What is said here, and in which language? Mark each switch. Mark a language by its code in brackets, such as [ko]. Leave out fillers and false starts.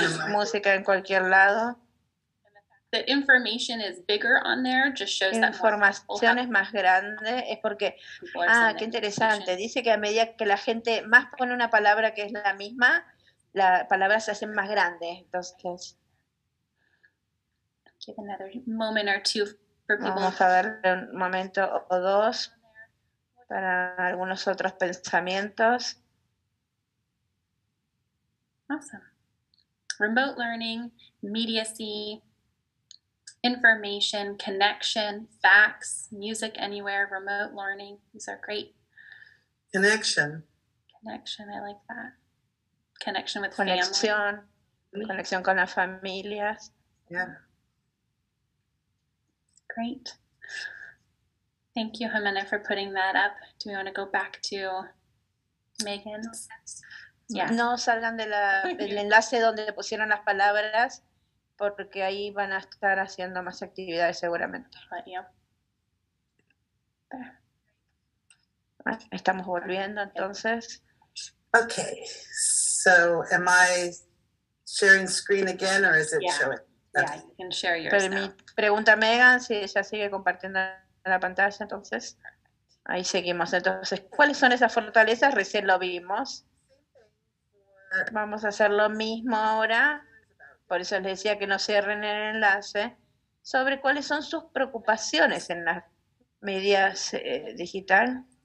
[es] Música en cualquier lado. [en] The information is bigger on there, just shows [es] that información es más grande, es porque qué interesante. Dice que a medida que la gente más pone una palabra que es la misma, la palabra se hace más grande. Entonces, [en] give another moment or two for people. [es] Vamos a darle un momento o dos para algunos otros pensamientos. [en] Awesome. Remote learning, immediacy, information, connection, facts, music anywhere, remote learning. These are great. Connection. Connection, I like that. Connection with [es] conexión, family. Conexión con las familias. [en] Yeah. Great. Thank you, Jimena, for putting that up. Do we want to go back to Megan's? Yeah. [es] No salgan de la, del enlace donde le pusieron las palabras, porque ahí van a estar haciendo más actividades seguramente. Estamos volviendo entonces. [en] Okay, so am I sharing screen again or is it showing? Yeah, you can share yours. [es] Pregunta Megan si ella sigue compartiendo la pantalla entonces. Ahí seguimos entonces. ¿Cuáles son esas fortalezas? Recién lo vimos. Vamos a hacer lo mismo ahora. Por eso les decía que no cierren el enlace. Sobre cuáles son sus preocupaciones en las medias digital.